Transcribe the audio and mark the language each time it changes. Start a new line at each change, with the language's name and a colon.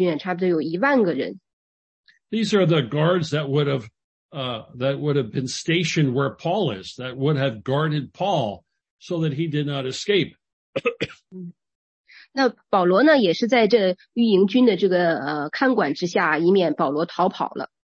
Chinese: 那有人说呢，应该是有一万个士兵啊，就是这个御营全军啊，差不多有一万个人。
English: These are the guards that would have been stationed where Paul is, that would have guarded Paul so that he did not escape.
Chinese: 那保罗呢，也是在这御营军的这个看管之下，以免保罗逃跑了。